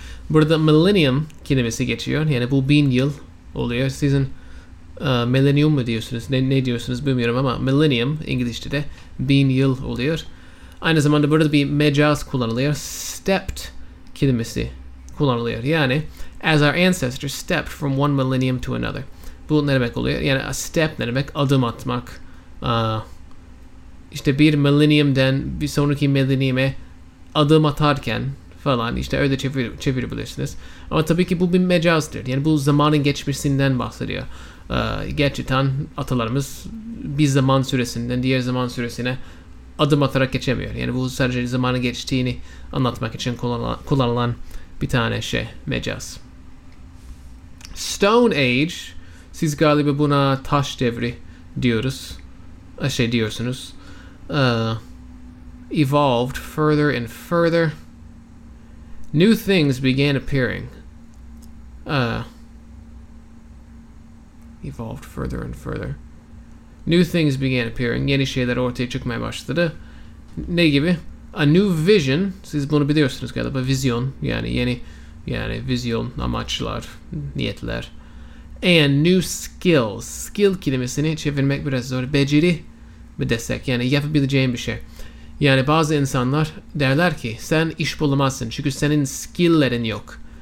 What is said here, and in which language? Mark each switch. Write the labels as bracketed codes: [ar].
[tr] Burada millennium kelimesi geçiyor. Yani bu bin yıl oluyor. Sizin millennium mu diyorsunuz? Ne diyorsunuz bilmiyorum ama millennium İngilizce'de bin yıl oluyor. Aynı zamanda burada bir mecaz kullanılıyor. Stepped kelimesi kullanılıyor. [en] Yani as our ancestors stepped from one millennium to another. [tr] Bu ne demek oluyor? Yani a step ne demek? Adım atmak. İşte bir millenniumden bir sonraki millennium'e adım atarken falan işte öyle çevirebilirsiniz. Ama tabii ki bu bir mecazdır. Yani bu zamanın geçmişinden bahsediyor. Gerçekten atalarımız bir zaman süresinden diğer zaman süresine adım atarak geçemiyor. Yani bu sadece zamanın geçtiğini anlatmak için kullanılan bir tane şey, mecaz. Stone Age, siz galiba buna taş devri diyoruz. Şey diyorsunuz. [en] Evolved further and further. New things began appearing. Evolved further and further. New things began appearing. [tr] Yeni şeyler ortaya çıkmaya başladı. Ne gibi? [en] A new vision. [tr] Siz bunu biliyorsunuz galiba. Vizyon. Yani yeni. Yani vizyon, amaçlar, niyetler. [en] And new skills. [tr] Skill kelimesini çevirmek biraz zor. Beceri mi desek? Yani yapabileceğin bir şey. Yani bazı insanlar derler ki sen iş bulamazsın çünkü senin skill'lerin yok.